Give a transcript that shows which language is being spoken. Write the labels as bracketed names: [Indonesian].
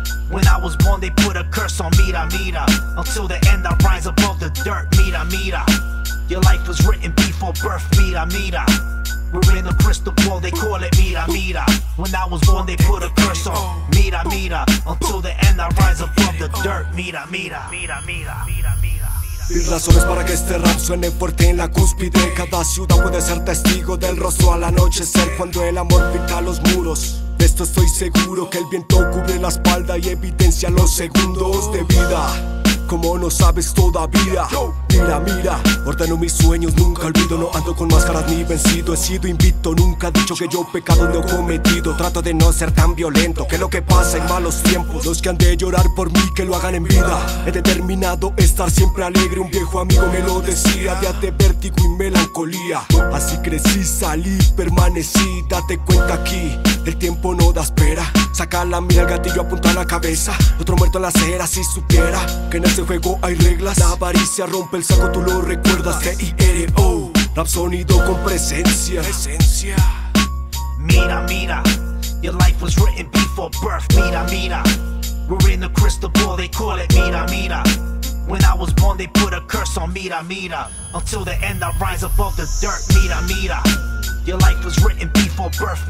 [English] When I was born, they put a curse on mira, mira. Until the end, I rise above the dirt. Mira, mira, your life was written before birth. Mira, mira, we're in the crystal ball, they call it mira, mira. When I was born, they put a curse on mira, mira. Until the end, I rise above the dirt. Mira, mira, [Spanish] mira, mira, mira, mira, mira. Mil razones para que este rap suene fuerte en la cúspide. Cada ciudad puede ser testigo del rostro al anochecer, cuando el amor pinta los muros. De esto estoy seguro, que el viento cubre la espalda y evidencia los segundos de vida. Como no sabes todavía, mira, mira, ordeno mis sueños, nunca olvido. No ando con máscaras ni vencido, he sido invicto. Nunca he dicho que yo pecado no he cometido. Trato de no ser tan violento, que lo que pasa en malos tiempos, los que han de llorar por mí, que lo hagan en vida. He determinado estar siempre alegre, un viejo amigo me lo decía. Días de vértigo y melancolía, así crecí, salí, permanecí. Date cuenta aquí, el tiempo no da espera. Saca la mira al gatillo, apunta a la cabeza. Otro muerto en la acera, si supiera que en este juego hay reglas. La avaricia rompe el saco, tú lo recuerdas. T-I-R-O, rap sonido con presencia. Presencia. [English] Mira, mira, your life was written before birth. Mira, mira, we're in the crystal ball, they call it. Mira, mira, when I was born they put a curse on. Mira, mira, until the end I rise above the dirt. Mira, mira, your life was written before birth.